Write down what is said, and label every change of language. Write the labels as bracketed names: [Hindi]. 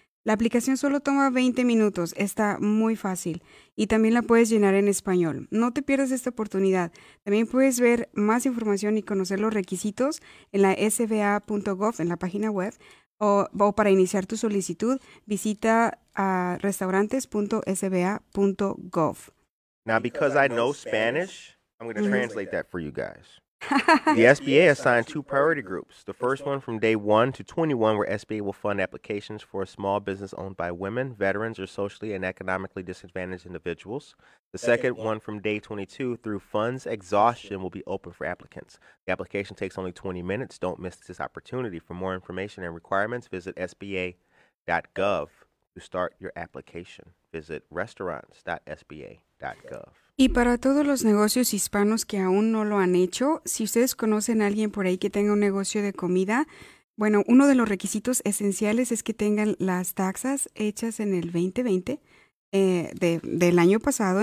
[Spanish] La aplicación solo toma 20 minutos, está muy fácil y también la puedes llenar en español. No te pierdas esta oportunidad. También puedes ver más información y conocer los requisitos en la sba.gov, en la página web, o para iniciar tu solicitud, visita restaurantes.sba.gov. [English] Now, because I know Spanish, I'm going to translate that for you guys. The SBA assigned two priority groups. The first one from day 1 to 21, where SBA will fund applications for a small business owned by women, veterans, or socially and economically disadvantaged individuals. The second one from day 22 through funds exhaustion will be open for applicants. The application takes only 20 minutes. Don't miss this opportunity. For more information and requirements, visit sba.gov to start your application. Visit restaurants.sba.gov. [Spanish] Y para todos los negocios hispanos que aún no lo han hecho, si ustedes conocen a alguien por ahí que tenga un negocio de comida, bueno, uno de los requisitos esenciales es que tengan las taxas hechas en el 2020 del año pasado.